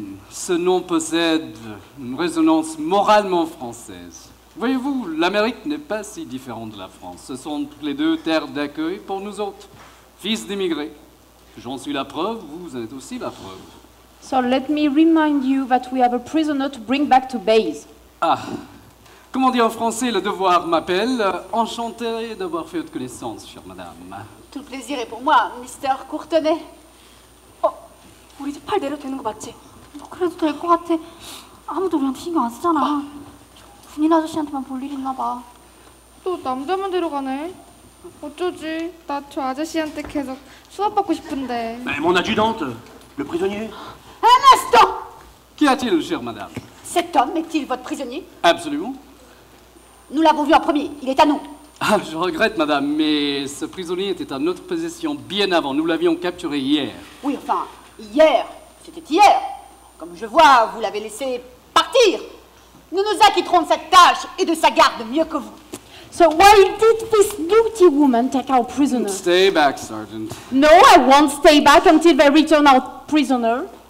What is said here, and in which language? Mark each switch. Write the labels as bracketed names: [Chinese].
[French] Ce nom possède une résonance moralement française. Voyez-vous, l'Amérique n'est pas si différente de la France. Ce sont toutes les deux terres d'accueil pour nous autres, fils d'immigrés. J'en suis la preuve, vous en êtes aussi la preuve. [English] So let me remind you that we have a prisoner to bring back to base. [French] Ah, comment dire en français, le devoir m'appelle. Enchanté d'avoir fait votre connaissance, chère madame. Tout le plaisir est pour moi, Mr. Courtenay. [Korean] Oh, 우리 이제 팔 내려도 되는 거 맞지? 너 그래도 될 거 같아. 아무도 우리한테 신경 안 쓰잖아. 군인 아저씨한테만 볼 일 있나 봐. 또 남자만 데려가네. 어쩌지? 나 저 아저씨한테 계속 수업 받고 싶은데. [French] Mais mon adjudante, le prisonnier. Un instant! Qu'y a-t-il, chère madame? Cet homme est-il votre prisonnier? Absolument. Nous l'avons vu en premier, il est à nous. Ah, je regrette, madame, mais ce prisonnier était en notre possession bien avant. Nous l'avions capturé hier. Oui, enfin, hier. C'était hier. Comme je vois, vous l'avez laissé partir. Nous nous acquitterons de cette tâche et de sa garde mieux que vous. [English] So why did this beauty woman take our prisoner? Stay back, sergeant. No, I won't stay back until they return our prisoner.